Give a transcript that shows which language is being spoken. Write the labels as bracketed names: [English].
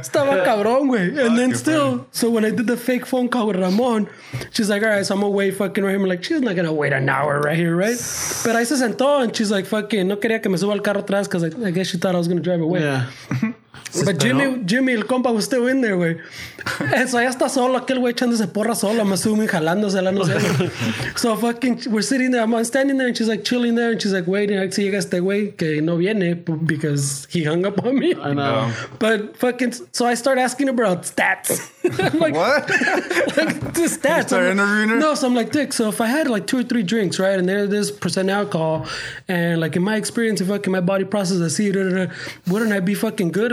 [Spanish] Estaba cabrón, güey. [English] And then still, friend. So when I did the fake phone call with Ramon, she's like, all right, so I'm gonna wait fucking right here. I'm like, she's not gonna wait an hour right here, right? But I said, and she's like, fucking, [Spanish] no quería que me suba al carro atrás [English] because I guess she thought I was gonna drive away. Yeah. But Jimmy, [Spanish] el compa, [English] was still in there, güey. [Spanish] So ya está solo, aquel güey echándose porra solo, me asumí jalándosela, no sé. [English] So fucking, we're sitting there, I'm standing there, and she's like chilling there, and she's like waiting, like, [Spanish] si llega este güey que no viene, [English] because he hung up on me. I know. But fucking, so I start asking her about stats. like, what? Like, the stats. You start interviewing her? No, so I'm like, dick, so if I had like 2 or 3 drinks, right, and there's this percent alcohol, and like in my experience, if fucking my body processes, I see, da, da, da, wouldn't I be fucking good?